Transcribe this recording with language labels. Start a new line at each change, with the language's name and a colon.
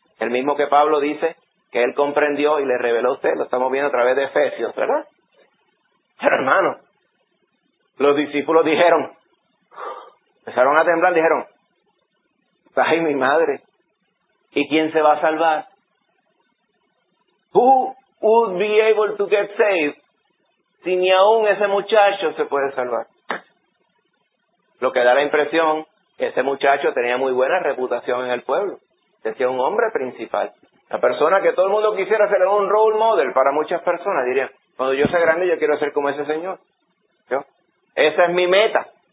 Spanish: El mismo que Pablo dice que él comprendió y le reveló a usted. Lo estamos viendo a través de Efesios, ¿verdad? Pero hermano, los discípulos dijeron, empezaron a temblar, dijeron, ¡ay, mi madre! ¿Y quién se va a salvar?
English: Who would be able to get saved?
Spanish: Si ni aún ese muchacho se puede salvar. Lo que da la impresión, ese muchacho tenía muy buena reputación en el pueblo. Decía un hombre principal. La persona que todo el mundo quisiera ser un role model para muchas personas, diría, cuando yo sea grande yo quiero ser como ese señor. ¿Yo? Esa es mi meta.